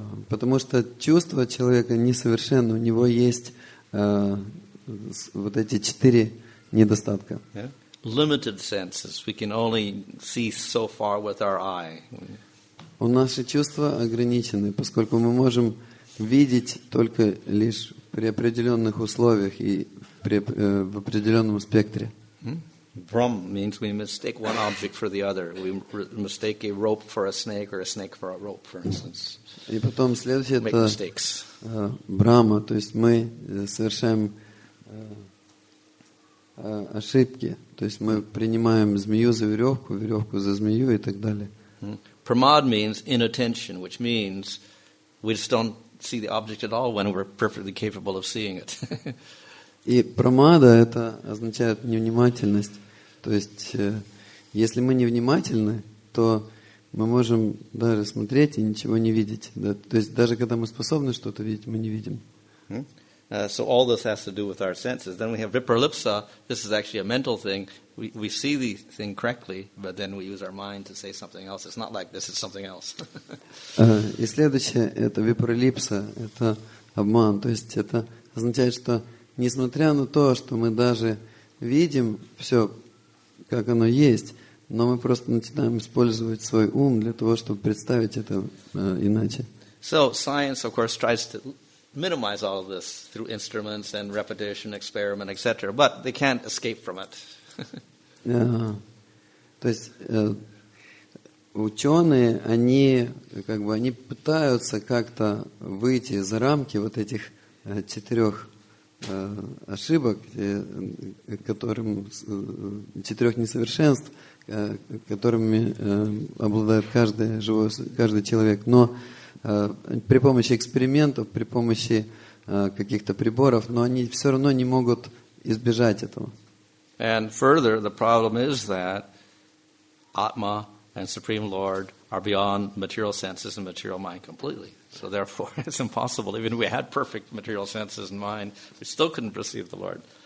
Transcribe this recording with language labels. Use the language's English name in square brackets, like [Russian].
[Russian] Потому что чувство человека несовершенно, у него есть вот эти четыре недостатка. [English] Yeah. Limited senses. We can only see so far with our eye. [Russian] У наши чувства ограничены, поскольку мы можем видеть только лишь при определенных условиях и в определенном спектре. [English] Brahm means we mistake one object for the other. We mistake a rope for a snake or a snake for a rope, for instance. [Russian] И потом следующее это Брама, то есть мы совершаем ошибки, то есть мы принимаем змею за веревку, веревку за змею и так далее. [English] Pramad means inattention, which means we just don't see the object at all when we're perfectly capable of seeing it. [Russian] И прамада это означает невнимательность. То есть если мы невнимательны, то мы можем даже смотреть и ничего не видеть. Да? То есть даже когда мы способны что-то видеть, мы не видим. [English] So all this has to do with our senses. Then we have viparlipsa. This is actually a mental thing. We see the thing correctly, but then we use our mind to say something else. It's not like this, it's something else. [Russian] И следующее – это виперлипса, это обман. То есть это означает, что несмотря на то, что мы даже видим все, как оно есть, но мы просто начинаем использовать свой ум для того, чтобы представить это иначе. [English] So science, of course, tries to minimize all of this through instruments and repetition, experiment, etc. But they can't escape from it. [Russian] То есть ученые, они как бы они пытаются как-то выйти за рамки вот этих четырех ошибок, которым четырех несовершенств, которыми обладает каждое живое, каждый человек, но при помощи экспериментов, при помощи каких-то приборов, но они все равно не могут избежать этого. [English] And further, the problem is that Atma and Supreme Lord are beyond material senses and material mind completely. So therefore, it's impossible. Even if we had perfect material senses and mind, we still couldn't perceive the Lord.